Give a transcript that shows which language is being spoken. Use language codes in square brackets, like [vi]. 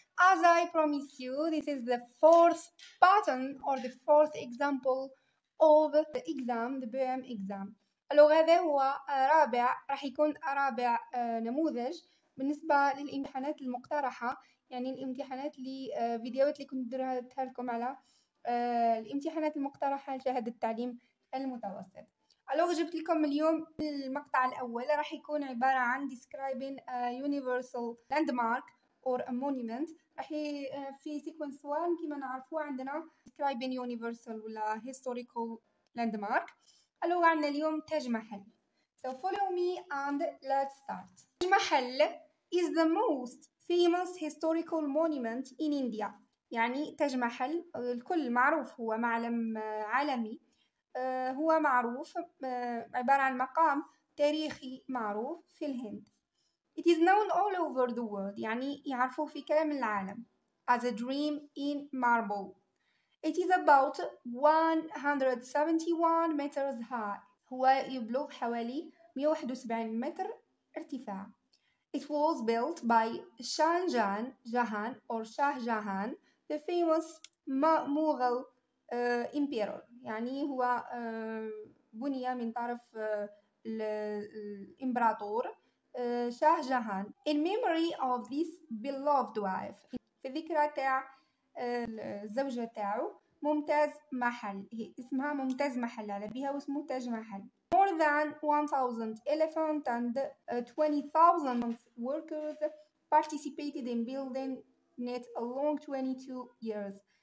[en] As I promised you, this is the fourth pattern or the fourth example of the exam, the BM exam. [ar] اللغة هذا هو رابع, رح يكون رابع نموذج بالنسبة للامتحانات المقترحة, يعني الامتحانات اللي فيديوهات اللي كنت درتها لكم على الامتحانات المقترحة لشهادة التعليم المتوسط. الو, جبت لكم اليوم المقطع الاول, راح يكون عباره عن [en] describing a universal landmark or a monument. راح في sequence 1 [ar] كما نعرفوا عندنا [en] describing universal ولا historical landmark. [ar] الو, عندنا اليوم تاج محل. [en] So follow me and let's start. تاج محل is the most famous historical monument in India. [ar] يعني تاج محل الكل معروف, هو معلم عالمي, هو معروف, عبارة عن مقام تاريخي معروف في الهند. [en] It is known all over the world, [ar] يعني يعرفوه في كامل العالم. [en] As a dream in marble. It is about 171 meters high. [ar] هو يبلغ حوالي 171 متر ارتفاع. [en] It was built by Shahjahan, Jahan or Shahjahan, the famous Mughal Emperor. [ar] يعني هو بني من طرف الإمبراطور شاه جهان. [en] In memory of this beloved wife, [ar] في ذكرى تاع الزوجة تاعه. ممتاز محل, هي اسمها ممتاز محل على بها واسمه تاج محل. [en] More than 1000 elephant and 20,000 workers participated in building it along 22 years.